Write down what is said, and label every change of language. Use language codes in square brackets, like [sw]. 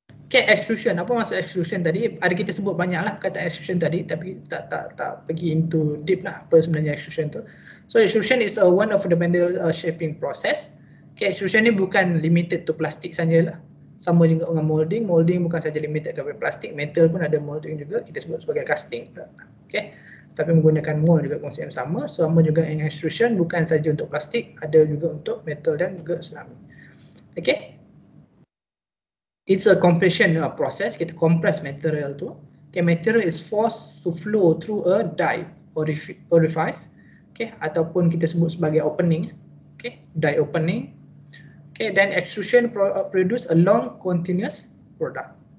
[ms] Okay, extrusion. Apa maksud extrusion tadi? Ada kita sebut banyak lah kata extrusion tadi, tapi tak pergi into deep lah apa sebenarnya extrusion tu. [en] So extrusion is a one of the fundamental shaping process. [ms] Okay, extrusion ni bukan limited to plastik sajalah. Sama juga dengan molding. Molding bukan saja limited kepada plastik. Metal pun ada molding juga. Kita sebut sebagai casting. Okay. Tapi menggunakan mold juga konsep yang sama. So, sama juga dengan extrusion, bukan saja untuk plastik, ada juga untuk metal dan juga senami. Okay. [en] It's a compression process. [ms] Kita compress material tu. [en] Okay, material is forced to flow through a die orifice. [ms] Okay, ataupun kita sebut sebagai opening. Okay, die opening. [en] Okay, then extrusion produce a long continuous product.